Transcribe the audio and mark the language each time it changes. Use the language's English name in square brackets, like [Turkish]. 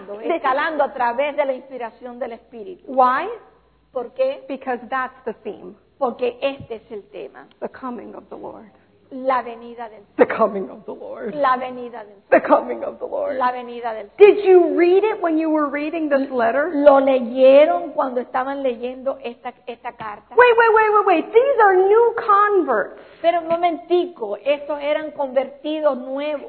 [Spanish] Escalando a través de la inspiración del Espíritu. [English] Why? [Spanish] ¿Por qué? [English] Because that's the theme. [Spanish] Porque este es el tema. [English] The coming of the Lord. [Spanish] La venida del Señor. [English] The coming of the Lord. [Spanish] La venida del Señor. [English] The coming of the Lord. [Spanish] La venida del Señor. [English] Did you read it when you were reading this letter? [Spanish] ¿Lo leyeron cuando estaban leyendo esta carta? [English] Wait. These are new converts. [Spanish] Pero un momentico, estos eran convertidos nuevos.